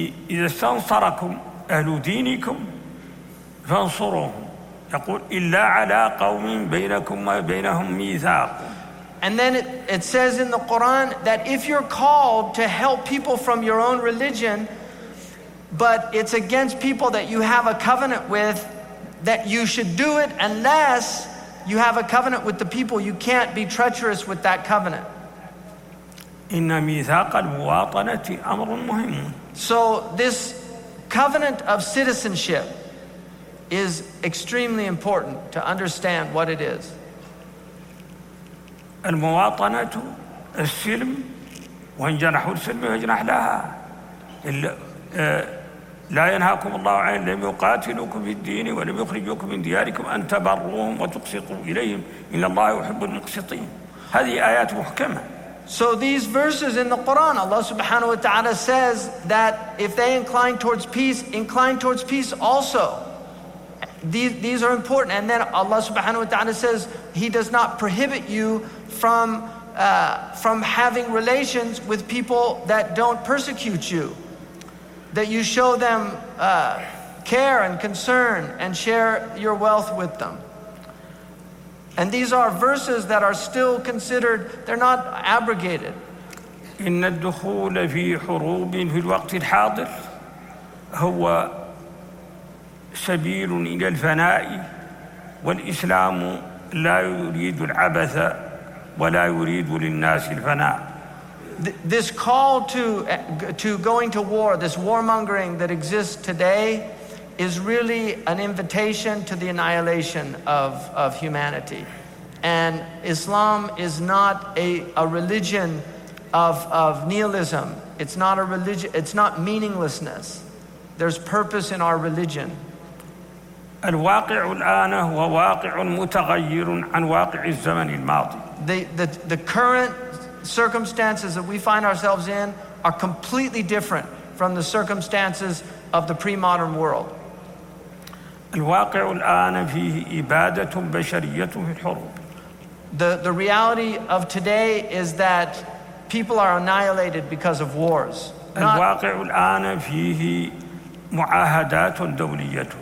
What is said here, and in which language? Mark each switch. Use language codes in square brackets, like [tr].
[ar] إذا استنصركم أهل دينكم فانصروهم يقول إلا على قوم بينكم وبينهم ميثاق. [en] And then it says in the Quran that if you're called to help people from your own religion, but it's against people that you have a covenant with, that you should do it unless you have a covenant with the people. You can't be treacherous with that covenant. [ar] إن ميثاق المواطنة أمر مهم. [en] So this covenant of citizenship is extremely important to understand what it is. [ar] المواطنة السلم وإن جنحوا السلم يجنح لها. لا ينهاكم الله عن لم يقاتلوكم في الدين ولم يخرجوكم من دياركم أن تبروهم وتقسطوا إليهم إن الله يحب المقسطين. هذه آيات محكمة. [en] So these verses in the Quran, Allah subhanahu wa ta'ala says that if they incline towards peace, incline towards peace also. These are important. And then Allah subhanahu wa ta'ala says he does not prohibit you from having relations with people that don't persecute you. That you show them care and concern and share your wealth with them. And these are verses that are still considered, they're not abrogated. [ar] إن الدخول في حروب في الوقت الحاضر هو سبيل إلى الفناء والإسلام لا يريد العبث ولا يريد للناس الفناء. [en] This call to going to war, this warmongering that exists today, is really an invitation to the annihilation of humanity. And Islam is not a religion of nihilism. It's not a religion, it's not meaninglessness. There's purpose in our religion. [ar] الواقع الآن هو واقع متغير عن واقع الزمن الماضي. [en] The current circumstances that we find ourselves in are completely different from the circumstances of the pre-modern world. [ar] الواقع الآن فيه إبادة بشرية في الحروب. [en] The reality of today is that people are annihilated because of wars. [ar] الواقع الآن فيه معاهدات دولية.